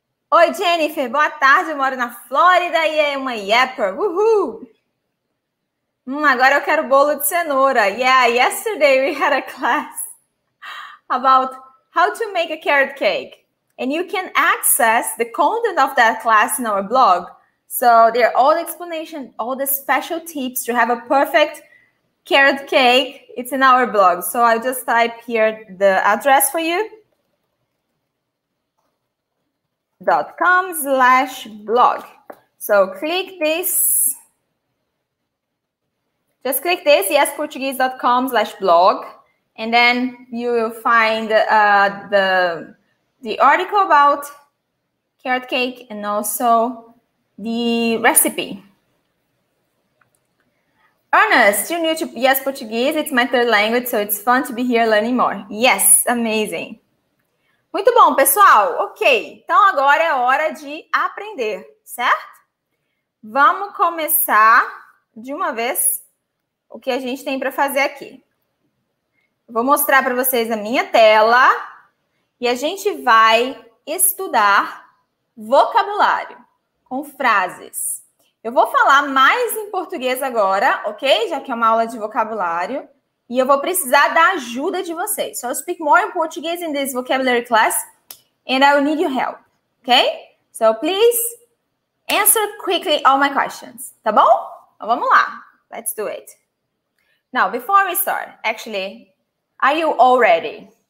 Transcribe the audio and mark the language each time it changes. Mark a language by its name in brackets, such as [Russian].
[Portuguese] Oi, Jennifer, boa tarde. Eu moro na Flórida e é uma yapper. Uhul! Agora eu quero bolo de cenoura. [English] Yeah, yesterday we had a class about how to make a carrot cake. And you can access the content of that class in our blog. So there are all the explanations, all the special tips to have a perfect carrot cake. It's in our blog. So I'll just type here the address for you. .com/blog. So click this. Just click this, yesportuguese.com/blog. And then you will find the article about carrot cake and also the recipe. Ernest, you're new to Yes Portuguese. It's my third language, so it's fun to be here learning more. Yes, amazing. [Portuguese] Muito bom, pessoal. Ok, então agora é hora de aprender, certo? Vamos começar de uma vez o que a gente tem para fazer aqui. Vou mostrar para vocês a minha tela e a gente vai estudar vocabulário com frases. Eu vou falar mais em português agora, ok? Já que é uma aula de vocabulário. E eu vou precisar da ajuda de vocês. [English] So I'll speak more in Portuguese in this vocabulary class. And I will need your help, ok? So please answer quickly all my questions, [Portuguese] tá bom? Então vamos lá. [English] Let's do it. Now, before we start, actually, are you all ready?